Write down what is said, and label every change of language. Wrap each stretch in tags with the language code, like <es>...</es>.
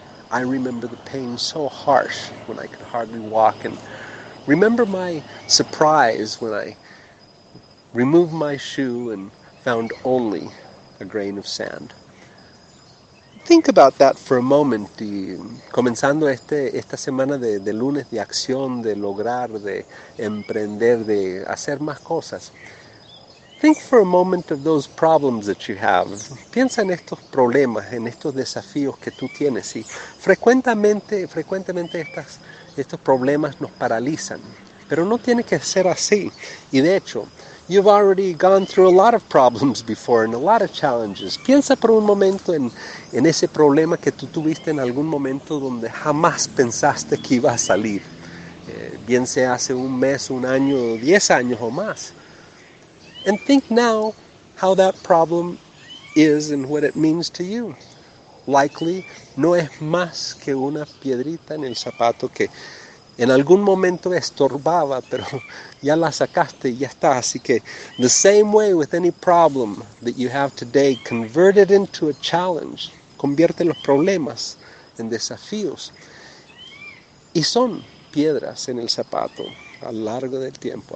<en>I remember the pain so harsh when I could hardly walk, and remember my surprise when I removed my shoe and found only a grain of sand. Think about that for a moment,</en> <es>y comenzando esta semana de lunes de acción, de lograr, de emprender, de hacer más cosas.</es> <en>Think for a moment of those problems that you have.</en> <es>Piensa en estos problemas, en estos desafíos que tú tienes. Y frecuentemente estos problemas nos paralizan. Pero no tiene que ser así. Y de hecho,</es> <en>you've already gone through a lot of problems before and a lot of challenges.</en> <es>Piensa por un momento en ese problema que tú tuviste en algún momento donde jamás pensaste que iba a salir. Bien sea hace un mes, un año, 10 años o más.</es> <en>And think now how that problem is and what it means to you. Likely,</en> <es>no es más que una piedrita en el zapato que en algún momento estorbaba, pero ya la sacaste y ya está. Así que,</es> <en>the same way with any problem that you have today, convert it into a challenge.</en> <es>Convierte los problemas en desafíos. Y son piedras en el zapato a lo largo del tiempo.</es>